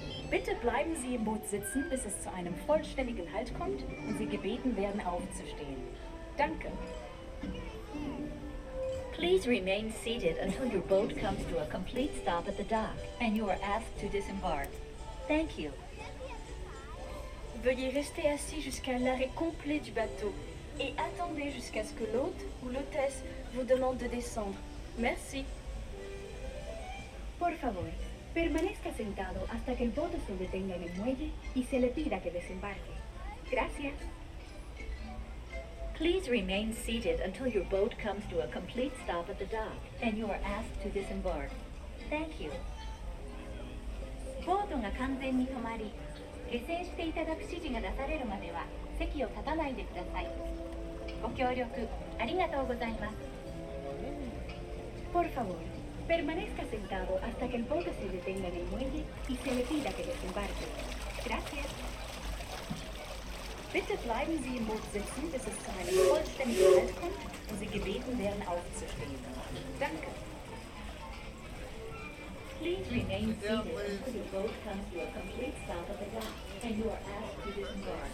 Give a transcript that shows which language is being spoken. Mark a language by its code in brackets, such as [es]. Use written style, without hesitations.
[de] Bitte bleiben Sie im Boot sitzen, bis es zu einem vollständigen Halt kommt und Sie gebeten werden, aufzustehen. Danke. [en] Please remain seated until your boat comes to a complete stop at the dock and you are asked to disembark. Thank you. [fr] Veuillez rester assis jusqu'à l'arrêt complet du bateau et attendez jusqu'à ce que l'hôte ou l'hôtesse vous demande de descendre. Merci. [es] Por favor, permanezca sentado hasta que el bote se detenga en el muelle y se le pida que desembarque. Gracias. [en] Please remain seated until your boat comes to a complete stop at the dock and you are asked to disembark. Thank you. [ja] ボートが完全に止まり、下船していただく指示が出されるまでは席を立たないでください。ご協力ありがとうございます。 [es] Por favor, permanezca sentado hasta que el bote se detenga en el muelle y se le pida que desembarque. Gracias. [de] Bitte bleiben Sie im Boot sitzen, bis es zu einem vollständigen Halt kommt und Sie gebeten werden aufzustehen. Danke. [en] Please remain seated until the boat comes to a complete stop at the dock and you are asked to disembark.